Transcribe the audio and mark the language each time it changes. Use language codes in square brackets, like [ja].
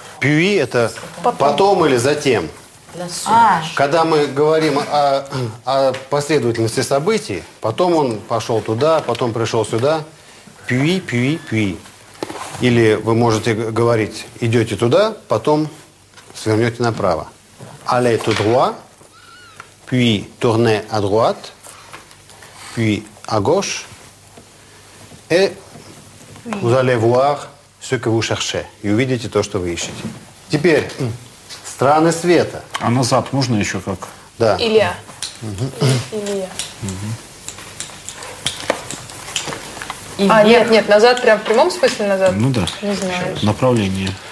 [ru] Пюи – это потом или затем. Когда мы говорим о последовательности событий, потом он пошел туда, потом пришел сюда. Пюи, пюи, пюи. Или вы можете говорить, идете туда, потом свернете направо. [fr] Allez tout droit, puis tournez à droite, puis à gauche, et vous allez voir ce que vous cherchez. [ru] И увидите то, что вы ищете. Теперь, страны света. А назад можно еще как? Да. Илья. Илья. А, нет, нет, назад, прям в прямом смысле назад? Ну да. Не знаю. Направление.